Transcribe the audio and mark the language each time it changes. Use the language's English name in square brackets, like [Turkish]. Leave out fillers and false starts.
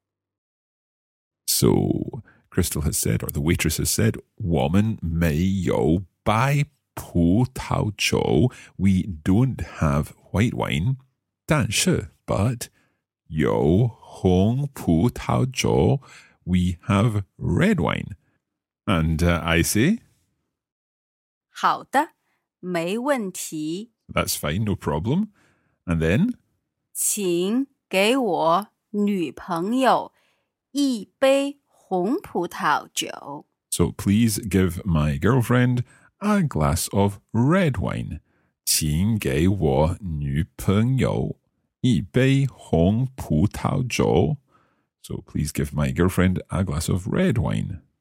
[Chinese] 对不起,我们没有白葡萄酒,但是有红葡萄酒。 [English] So, Crystal has said, or the waitress has said, [Chinese] 我们没有白葡萄酒, [English] we don't have white wine, 但是, but [Chinese] 有红葡萄酒, [English] we have red wine. And I say, [Chinese] 好的,没问题. [English] That's fine, no problem. And then, [Chinese] 请给我女朋友一杯红葡萄酒. [English] So please give my girlfriend a glass of red wine. [Chinese] 请给我女朋友 一杯红葡萄酒. [English] So please give my girlfriend a glass of red wine.